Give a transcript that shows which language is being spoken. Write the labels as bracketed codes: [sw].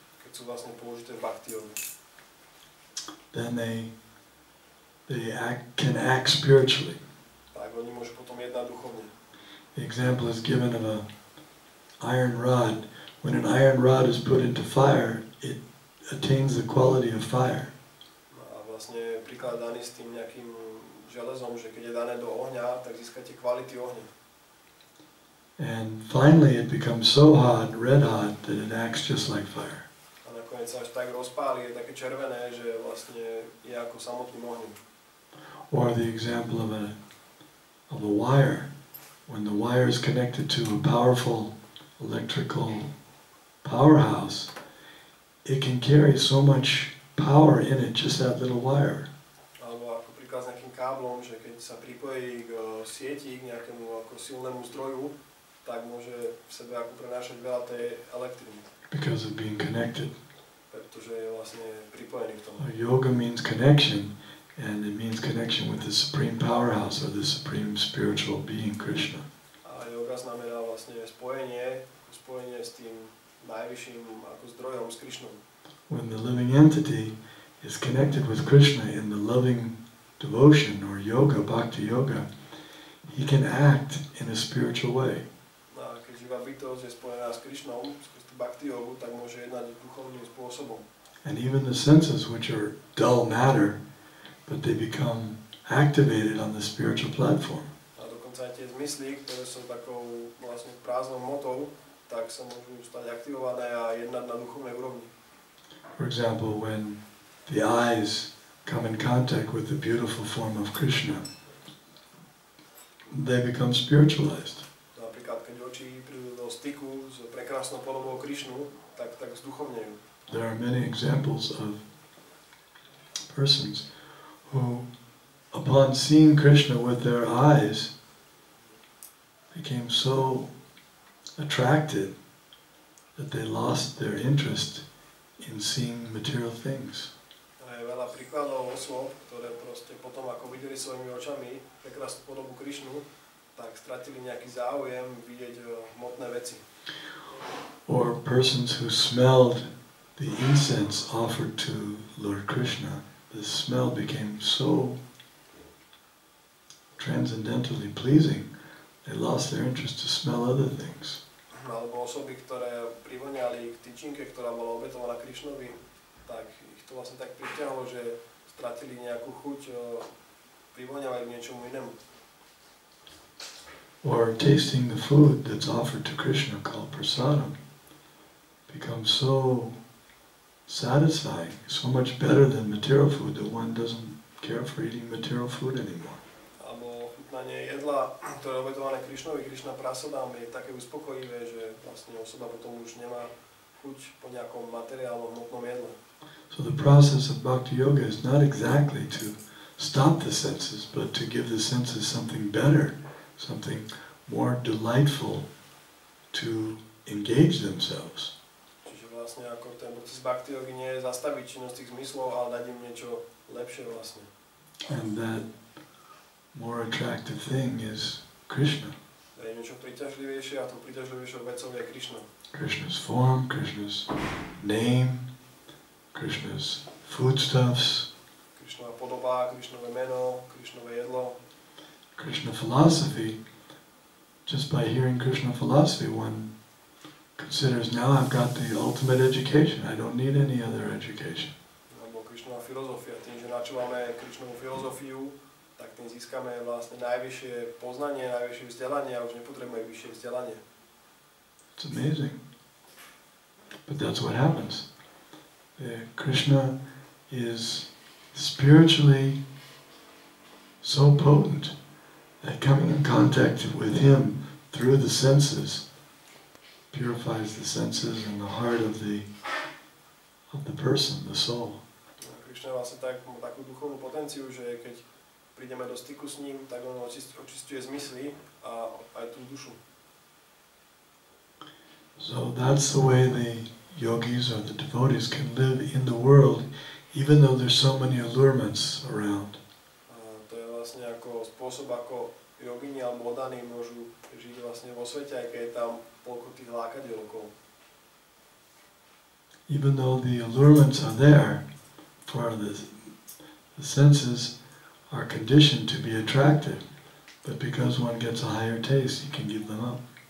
[sk] Keď sú vlastne použité v bhakti yogi. [en] then they can act spiritually. [sk] Tak oni môžu potom jednať duchovne. [en] The example is given of an iron rod. When an iron rod is put into fire, it attains the quality of fire. [sk] A vlastne príklad daný s tým nejakým železom, že keď je dané do ohňa, tak získate kvality ohňa. [en] And finally it becomes so hot, red hot, that it acts just like fire. [sk] A nakoniec sa až tak rozpáli, je také červené, že vlastne je ako samotný ohňom. [en] Or the example of a wire. When the wire is connected to a powerful electrical powerhouse, it can carry so much power in it, just that little wire. [sk] Alebo ako príklad s nejakým káblom, že keď sa pripojí k sieti, k nejakému ako silnému zdroju, tak môže v sebe ako prenášať veľa tej elektriny. [en] Because of being connected. [sk] Pretože je vlastne pripojený k tomu. [en] A yoga means connection. And it means connection with the supreme powerhouse or the supreme spiritual being, Krishna. [sk] A yoga znamená vlastne spojenie s tým najvyšším ako zdrojom, s Krishnom. [en] When the living entity is connected with Krishna in the loving devotion or yoga, bhakti yoga, he can act in a spiritual way. [sk] A keď živá bytosť je spojená s Krishnom, skrz bhakti yogu, tak môže jednať duchovným spôsobom. [en] And even the senses, which are dull matter, but they become activated on the spiritual platform. [sk] A dokonca tie zmysly, ktoré sú takou vlastne prázdnou motou, tak sa môžu stať aktivované a jednať na duchovnej úrovni. [en] For example, when the eyes come in contact with the beautiful form of Krishna, they become spiritualized. [sk] Napríklad, keď oči prídu do styku s prekrásnou podobou Krishnu, tak zduchovňujú. [en] There are many examples of persons who, upon seeing Krishna with their eyes, became so attracted that they lost their interest in seeing material things. [sk] A je veľa príkladov osôb, ktoré proste potom, ako videli svojimi očami prekrásnu podobu Krishnu, tak stratili nejaký záujem vidieť hmotné veci. [en] Or persons who smelled the incense offered to Lord Krishna, the smell became so transcendentally pleasing, they lost their interest to smell other things. [sk] Alebo osoby, ktoré privoniali k tyčinke, ktorá bola obetovaná Krišnovi, tak ich to vlastne tak pritiahlo, že stratili nejakú chuť privoniavať k niečomu inému. [en] Or tasting the food that's offered to Krishna called prasadam becomes so satisfying, so much better than material food that one doesn't care for eating material food anymore. [sk] Alebo chutnanie jedla, ktoré obetované Krišnovi, Krišna prasadam, je také uspokojivé, že vlastne osoba potom už nemá chuť po nejakom materiálu, hmotnom jedle. [en] So the process of bhakti yoga is not exactly to stop the senses, but to give the senses something better, something more delightful to engage themselves. [sk] Vlastne ako ten proces bhakti yogi nie je zastaviť činnosť tých zmyslov, ale dať im niečo lepšie vlastne. [en] And that more attractive thing is Krishna. [sk] Dať im niečo príťažlivejšie a to príťažlivejšou vecou je Krishna. [en] Krishna's form, Krishna's name, Krishna's foodstuffs. [sk] Krishnova podoba, Krishnove meno, Krishnove jedlo. [en] Krishna philosophy, just by hearing Krishna philosophy one considers, now I've got the ultimate education, I don't need any other education. [sk] Alebo Krishnova filozofia, tým, že načúvame Krishnovu filozofiu, tak tým získame vlastne najvyššie poznanie, najvyššie vzdelanie a už nepotrebujeme vyššie vzdelanie. [en] It's amazing. But that's what happens. Krishna is spiritually so potent that coming in contact with him through the senses purifies the senses and the heart of the person, the soul. [sk] Krishna vlastne takú duchovnú potenciu, že keď prídeme do styku s ním, tak on očisťuje zmysly a aj tú dušu. [en] So that's the way the yogis or the devotees can live in the world, even though there's so many allurements around. [sk] To je vlastne ako spôsob, ako yogini alebo oddaní môžu žiť vlastne vo svete, aj keď je tam poľko tých lákadiel okolo. [en] Even though the allurements are there for the The senses are conditioned to be attracted, but because one gets a higher taste, you can give them up.